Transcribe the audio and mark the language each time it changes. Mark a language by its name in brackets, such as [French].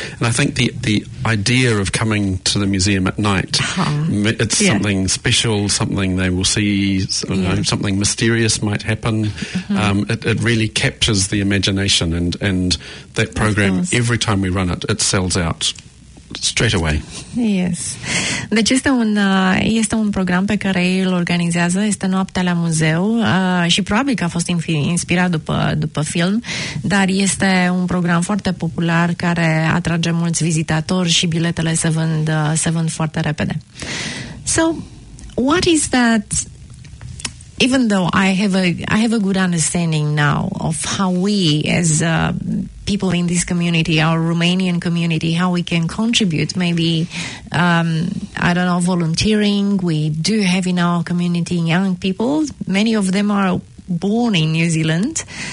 [English] And I think the idea of coming to the museum at night, it's something special, something they will see, something mysterious might happen. It really captures the imagination, and that program, every time we run it, it sells out straight away. Yes. [Romanian] Deci este un program pe care ei îl organizează, este Noaptea la Muzeu, și probabil că a fost inspirat după film, dar este un program foarte popular care atrage mulți vizitatori și biletele se vând foarte repede. [English] So, what is that? Even though I have a good understanding now of how we as people in this community, our Romanian community, how we can contribute, maybe I don't know, volunteering. We do have in our community young people, many of them are born in New Zealand.